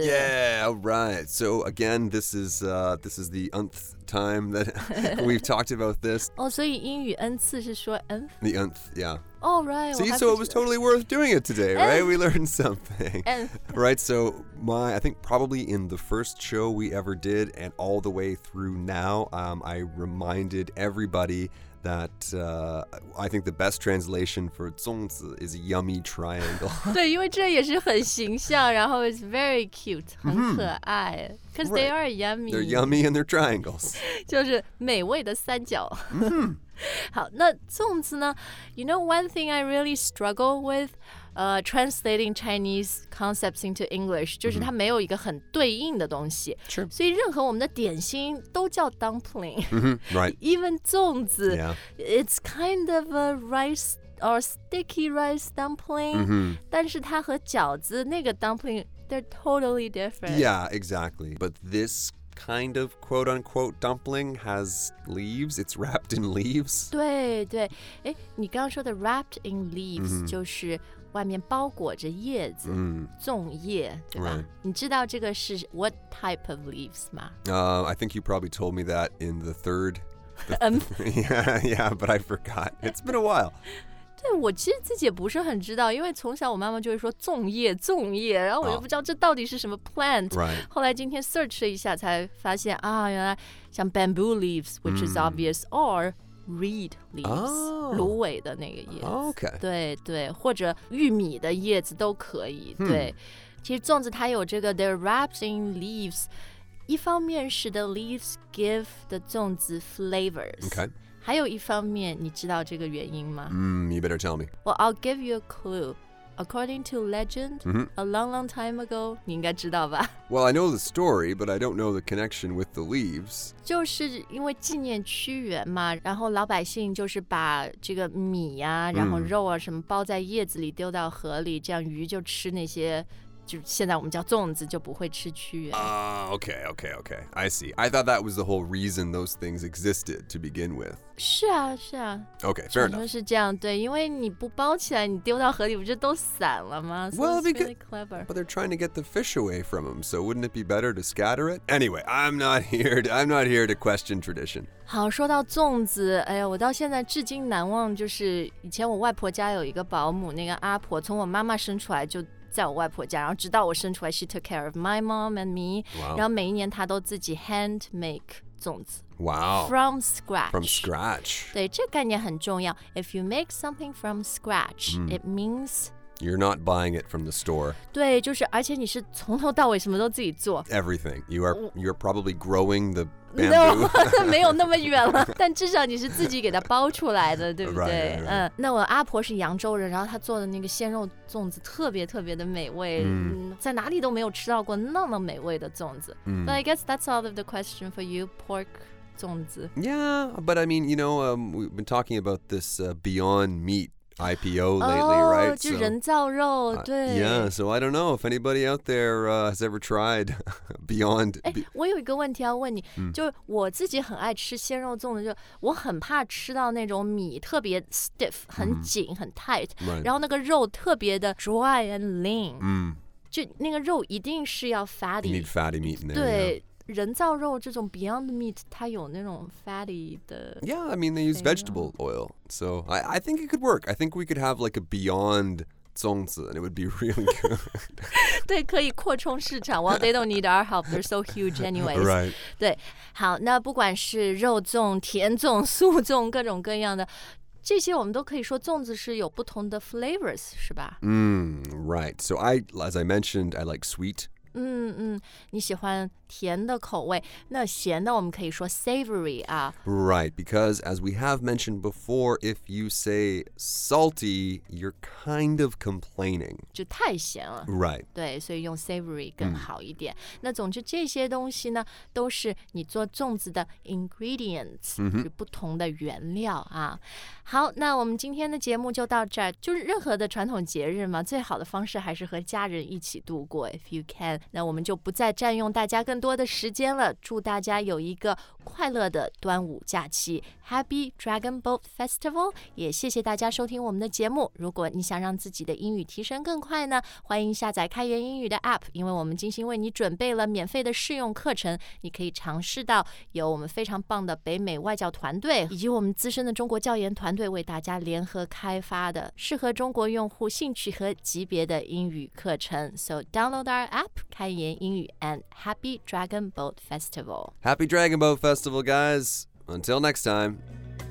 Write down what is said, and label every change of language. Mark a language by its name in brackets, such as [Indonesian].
[English] Yeah, all right. So again, this is the nth time that we've talked about this. [Chinese] 哦，所以英语 n 次是说 nth? [English] The nth, yeah. All right. See, so it was totally worth doing it today, right? We learned something. Right, so I think probably in the first show we ever did and all the way through now, I reminded everybody... that I think the best translation for 粽子 is a yummy triangle. [Chinese] 对，因为这也是很形象，然后 [English] it's very cute, [Chinese] 很可爱。 [English] Because they are yummy. They're yummy and they're triangles. [Chinese] 就是美味的三角。好，那粽子呢？ [English] You know one thing I really struggle with? Translating Chinese concepts into English, [Chinese] 就是它没有一个很对应的东西。 [English] Sure. [Chinese] 所以任何我们的点心都叫 dumpling. [English] Right. Even 粽子。 Yeah. It's kind of a rice or sticky rice dumpling. Mm-hmm. [Chinese] 但是它和饺子那个 dumpling, [English] they're totally different. Yeah, exactly. But this kind of quote-unquote dumpling has leaves. It's wrapped in leaves. [Chinese] 对对。诶，你刚刚说的 [English] wrapped in leaves,、 [Chinese] mm-hmm. 就是外面包裹着叶子、 mm. 粽叶对吧、 [English] right. [Chinese] 你知道这个是 [English] what type of leaves [Chinese] 吗、 [English] I think you probably told me that in the third but I forgot. It's been a while. [Chinese] 对，我其实自己也不是很知道，因为从小我妈妈就会说粽叶粽叶，然后我就不知道这到底是什么 plant、 [English] right. [Chinese] 后来今天 search 了一下才发现啊，原来像 [English] bamboo leaves which is obvious、 [Chinese] mm. [English] orReed leaves,、 oh, [Chinese] 芦苇的那个叶子、 [English] okay. [Chinese] 对对，或者玉米的叶子都可以、hmm. 对，其实粽子它有这个 [English] they're wrapped in leaves, [Chinese] 一方面是 [English] the leaves give the 粽子 flavors、 okay. [Chinese] 还有一方面你知道这个原因吗、 [English] mm, you better tell me. Well, I'll give you a clue. According to legend,、 mm-hmm. a long long time ago, [Chinese] 你应该知道吧。 [English] Well, I know the story, but I don't know the connection with the leaves. [Chinese] 就是因为纪念屈原嘛，然后老百姓就是把这个米啊，然后肉啊什么包在叶子里丢到河里，这样鱼就吃那些，就现在我们叫粽子，就不会吃屈原。 [English] Okay. I see. I thought that was the whole reason those things existed to begin with. [Chinese] 是啊，是啊。 [English] Okay, fair enough. [Chinese] 是这样，对，因为你不包起来，你丢到河里不就都散了吗 [English] ？Well, because、 so、it's really clever. But they're trying to get the fish away from them, so wouldn't it be better to scatter it? Anyway, I'm not here to question tradition. [Chinese] 好，说到粽子，哎呀，我到现在至今难忘，就是以前我外婆家有一个保姆，那个阿婆从我妈妈生出来就。在我外婆家，然后直到我生出来 ， [English] she took care of my mom and me、 wow.。 [Chinese] 然后每一年她都自己 [English] hand make [Chinese] 粽子。 [English] Wow. From scratch. From scratch. [Chinese] 对，这概念很重要。 [English] If you make something from scratch,、mm. it means you're not buying it from the store. [Chinese] 对，就是而且你是从头到尾什么都自己做。 [English] Everything. You're probably growing the bamboo. [Chinese] No, 没有那么远了，但至少你是自己给它包出来的，对不对？ [English] Right, right, right. [Chinese] 那我阿婆是扬州人，然后她做的那个鲜肉。粽子特别特别的美味、 mm. 在哪里都没有吃到过那么美味的粽子、 mm. [English] But I guess that's all of the question for you, pork 粽子 Yeah, but I mean, you know, we've been talking about this beyond meat IPO lately, oh, right? [Chinese] Oh, 就人造肉，对。 [English] Yeah, so I don't know if anybody out there has ever tried beyond... [Chinese] 我有一个问题要问你，就是我自己很爱吃鲜肉粽的，就我很怕吃到那种米特别 stiff, 很紧、mm-hmm. 很 tight,、 [English] right. [Chinese] 然后那个肉特别的 [English] dry and lean,、 mm. [Chinese] 就那个肉一定是要 fatty. [English] You need fatty meat in there, [Chinese] 对、 [English] yeah. [Chinese] 人造肉这种 Beyond Meat 它有那种 fatty 的 [English] Yeah, I mean they use vegetable oil. So I think it could work. I think we could have like a Beyond 粽子 and it would be really good. [Chinese] 对可以扩充市场 [English] Well, they don't need our help. They're so huge anyways. Right. [Chinese] 对好那不管是肉粽甜粽素粽各种各样的这些我们都可以说粽子是有不同的 flavors 是吧 [English] Right. So as I mentioned, I like sweet. [Chinese] 你喜欢甜的口味那咸的我们可以说 savory 啊 [English] Right, because as we have mentioned before, if you say salty, you're kind of complaining. [Chinese] 就太咸了 [English] Right. [Chinese] 对所以用 savory 更好一点、mm. 那总之这些东西呢都是你做粽子的 ingredients,、 mm-hmm. 就不同的原料啊。好那我们今天的节目就到这儿就是任何的传统节日嘛最好的方式还是和家人一起度过 [English] if you can. [Chinese] 那我们就不再占用大家更多的时间了祝大家有一个快乐的端午假期 [English] Happy Dragon Boat Festival [Chinese] 也谢谢大家收听我们的节目如果你想让自己的英语提升更快呢欢迎下载开源英语的 APP 因为我们精心为你准备了免费的试用课程你可以尝试到有我们非常棒的北美外教团队以及我们资深的中国教研团队为大家联合开发的适合中国用户兴趣和级别的英语课程 [English] So download our APP开言英语 and Happy Dragon Boat Festival. Happy Dragon Boat Festival, guys. Until next time.